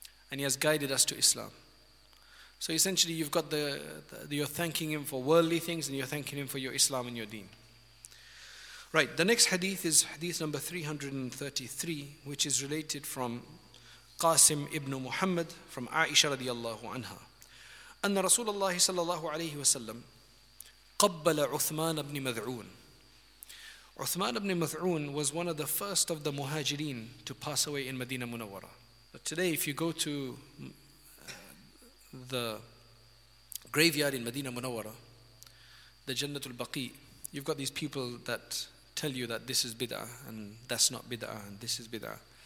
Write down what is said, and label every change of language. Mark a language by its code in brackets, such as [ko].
[en] And he has guided us to Islam. So essentially you've got the you're thanking him for worldly things and you're thanking him for your Islam and your deen. Right, the next hadith is hadith number 333, which is related from Qasim ibn Muhammad, from Aisha radiallahu anha. [ar] أن رسول الله صلى الله عليه وسلم قبل عثمان بن مذعون. [en] Uthman ibn Mad'un was one of the first of the Muhajireen to pass away in Medina Munawwara. But today, if you go to the graveyard in Medina Munawwara, the Jannatul Baqi, you've got these people that tell you that this is bid'ah and that's not bid'ah and this is bid'ah.